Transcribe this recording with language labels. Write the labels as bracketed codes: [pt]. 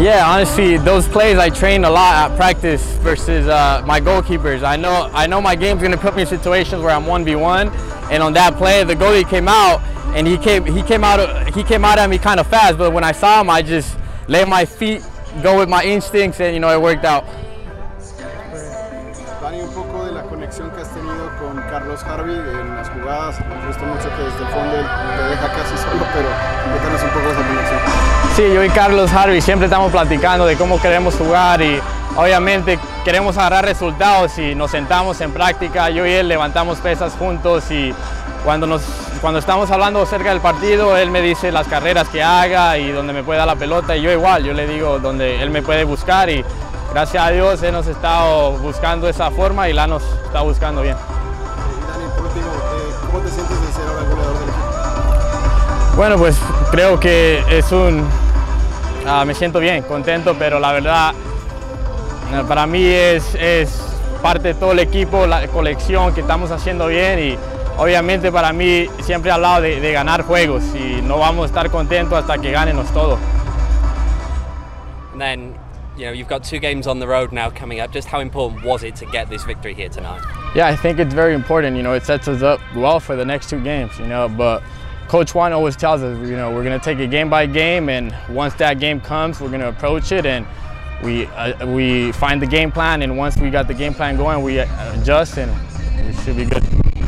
[en] Yeah, honestly, those plays I trained a lot at practice versus my goalkeepers. I know my game's going to put me in situations where I'm 1v1, and on that play, the goalie came out, and he came out at me kind of fast, but when I saw him, I just let my feet go with my instincts, and, you know, it worked out. [es] Danny, un poco de la conexión que has tenido con Carlos Harvey en las jugadas. Me gustó mucho que desde el fondo te deja casi solo, pero cuéntanos un poco de esa conexión. Sí, yo y Carlos Harvey siempre estamos platicando de cómo queremos jugar y obviamente queremos agarrar resultados y nos sentamos en práctica. Yo y él levantamos pesas juntos y cuando estamos hablando acerca del partido, él me dice las carreras que haga y donde me puede dar la pelota, y yo igual, yo le digo donde él me puede buscar, y gracias a Dios él nos ha estado buscando esa forma y la nos está buscando bien. Dani, por último, ¿cómo te sientes de ser ahora goleador del equipo? Bueno, pues creo que es un... me siento bien, contento, pero la verdad para mí es parte de todo el equipo, la colección que estamos haciendo bien. Y obviamente para mí siempre he hablado de ganar juegos, y no vamos a estar contentos hasta que ganemos todo. [en] And then, you know, you've got two games on the road now coming up. Just how important was it to get this victory here tonight? Yeah, I think it's very important. You know, it sets us up well for the next two games, you know. But Coach Juan always tells us, you know, we're going to take it game by game, and once that game comes, we're going to approach it, and we find the game plan, and once we got the game plan going, we adjust, and we should be good.